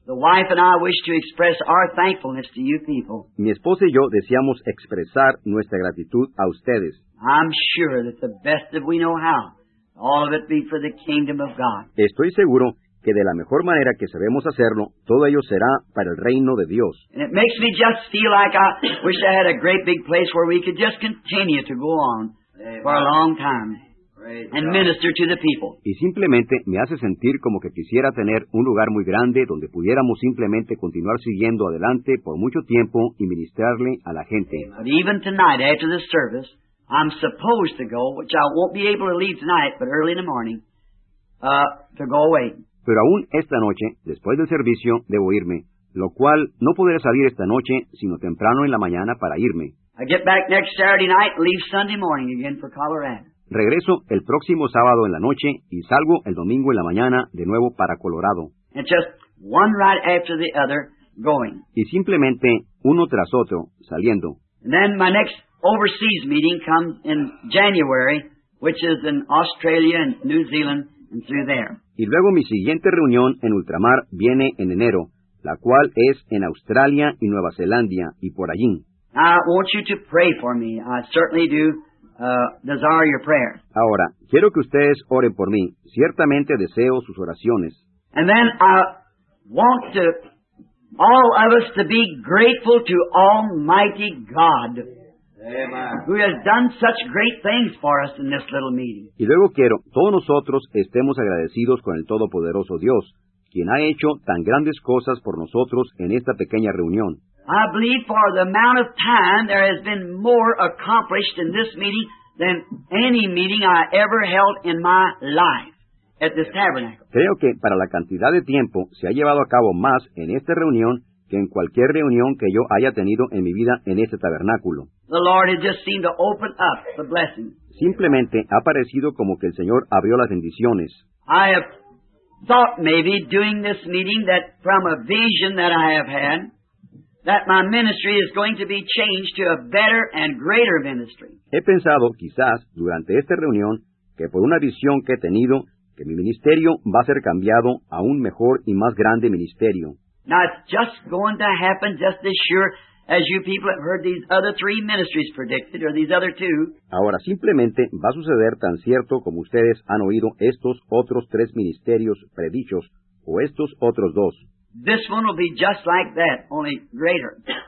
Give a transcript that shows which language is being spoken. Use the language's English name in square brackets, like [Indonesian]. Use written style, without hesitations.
[English] The wife and I wish to express our thankfulness to you people. [Spanish] Mi esposa y yo deseamos expresar nuestra gratitud a ustedes. [English] I'm sure that the best that we know how, all of it be for the kingdom of God. [Spanish] Estoy seguro que de la mejor manera que sabemos hacerlo, todo ello será para el reino de Dios. [English] And it makes me just feel like I wish I had a great big place where we could just continue to go on for a long time and minister to the people. [Spanish] Y simplemente me hace sentir como que quisiera tener un lugar muy grande donde pudiéramos simplemente continuar siguiendo adelante por mucho tiempo y ministrarle a la gente. [English] But even tonight, after this service, I'm supposed to go, which I won't be able to leave tonight, but early in the morning, to go away. [Spanish] Pero aún esta noche, después del servicio, debo irme, lo cual no podré salir esta noche, sino temprano en la mañana para irme. [English] I get back next Saturday night, leave Sunday morning again for Colorado. [Spanish] Regreso el próximo sábado en la noche y salgo el domingo en la mañana de nuevo para Colorado. [English] And just one right after the other, going. [Spanish] Y simplemente uno tras otro, saliendo. [English] And then my next overseas meeting comes in January, which is in Australia and New Zealand and through there. [Spanish] Y luego mi siguiente reunión en ultramar viene en enero, la cual es en Australia y Nueva Zelanda y por allí. [English] I want you to pray for me. I certainly do desire your prayer. [Spanish] Ahora, quiero que ustedes oren por mí. Ciertamente deseo sus oraciones. [English] And then I want to all of us to be grateful to Almighty God. Amen. Who has done such great things for us in this little meeting. [Spanish] Y luego quiero todos nosotros estemos agradecidos con el Todopoderoso Dios, quien ha hecho tan grandes cosas por nosotros en esta pequeña reunión. [English] I believe for the amount of time there has been more accomplished in this meeting than any meeting I ever held in my life at this tabernacle. [Spanish] Creo que para la cantidad de tiempo se ha llevado a cabo más en esta reunión que en cualquier reunión que yo haya tenido en mi vida en este tabernáculo. [English] The Lord had just seemed to open up the blessing. [Spanish] Simplemente ha parecido como que el Señor abrió las bendiciones. [English] I have thought maybe doing this meeting that from a vision that I have had, that my ministry is going to be changed to a better and greater ministry. [Spanish] He pensado quizás durante esta reunión que por una visión que he tenido, que mi ministerio va a ser cambiado a un mejor y más grande ministerio. [English] Now, it's just going to happen just as sure as you people have heard these other three ministries predicted, or these other two. [Spanish] Ahora, simplemente va a suceder tan cierto como ustedes han oído estos otros tres ministerios predichos, o estos otros dos. [English] This one will be just like that, only greater.